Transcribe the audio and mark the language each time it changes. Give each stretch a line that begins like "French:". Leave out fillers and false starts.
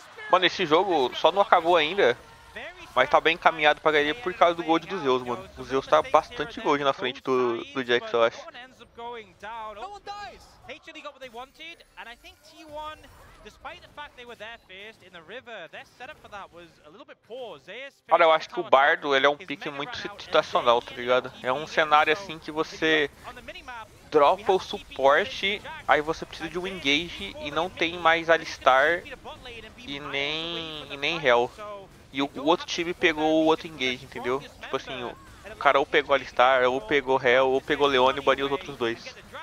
Portuguese: Mano, esse jogo só não acabou ainda. Mas tá bem encaminhado pra ganhar por causa do gold do Zeus, mano. O Zeus tá bastante gold na frente do Jax, eu acho.
English: HLE got what they wanted, and I think T1, despite the fact they were there first in the river, their setup for that was a little bit poor. Zeus.
Portuguese: Olha, eu acho que o Bardo, ele é um pick muito situacional, tá ligado? É um cenário assim que você dropa o suporte, aí você precisa de um engage e não tem mais Alistar e nem Hell. E o outro time pegou o outro engage, entendeu? Tipo assim, o cara ou pegou Alistar, ou pegou Hell, ou pegou Leone e baniu os outros dois.